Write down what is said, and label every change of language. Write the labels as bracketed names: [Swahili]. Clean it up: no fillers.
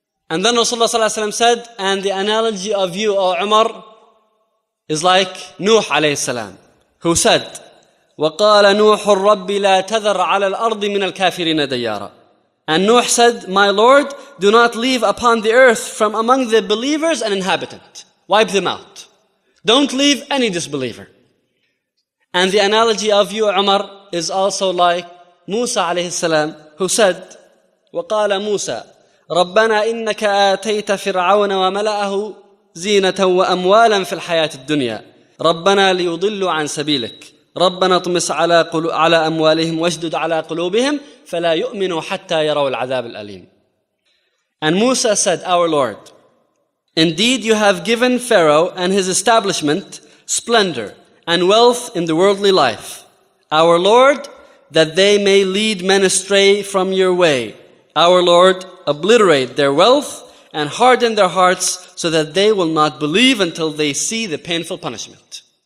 [English] And then Rasulullah sallallahu alayhi wa sallam said, and the analogy of you, O Umar, is like Nuh alayhi salam, who said, [Arabic] وَقَالَ نُوحُ الرَّبِّ لَا تَذَرْ عَلَى الْأَرْضِ مِنَ الْكَافِرِينَ دَيَّارًا. [English] And Nuh said, my Lord, do not leave upon the earth from among the believers an inhabitant. Wipe them out. Don't leave any disbeliever. And the analogy of you, Umar, is also like Musa alayhi salam, who said, [Arabic] وَقَالَ مُوسَى رَبَّنَا إِنَّكَ آتَيْتَ فِرْعَوْنَ وَمَلَأَهُ زِينَةً وَأَمْوَالًا فِي الْحَيَاةِ الدُّنْيَا رَبَّنَا لِيُضِلُّ عَنْ سَبِيلِكَ رَبَّنَا طُمِسْ عَلَى أَمْوَالِهِمْ وَاجْدُدْ عَلَى قُلُوبِهِمْ فَلَا يُؤْمِنُوا حَتَّى يَرَوْا الْعَذَابِ الْأَلِيمِ. [English] And Musa said, our Lord, indeed you have given Pharaoh and his establishment splendor and wealth in the worldly life, our Lord, that they may lead men astray from your way. Our Lord, obliterate their wealth and harden their hearts so that they will not believe until they see the painful punishment.